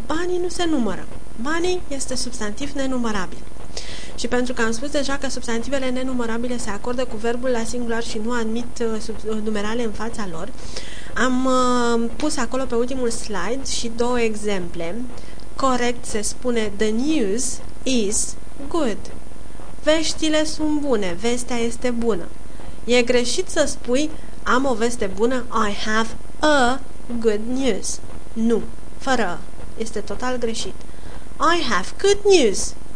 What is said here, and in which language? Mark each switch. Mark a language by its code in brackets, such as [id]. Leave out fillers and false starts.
[ro] Banii nu se numără. Money este substantiv nenumărabil. Și pentru că am spus deja că substantivele nenumărabile se acordă cu verbul la singular și nu admit numerale în fața lor, am pus acolo pe ultimul slide și două exemple. Corect se spune [en] the news is good. [ro] Veștile sunt bune, vestea este bună. E greșit să spui am o veste bună, [en] I have a good news. [ro] Nu, fără a. Este total greșit. [en] I have good news.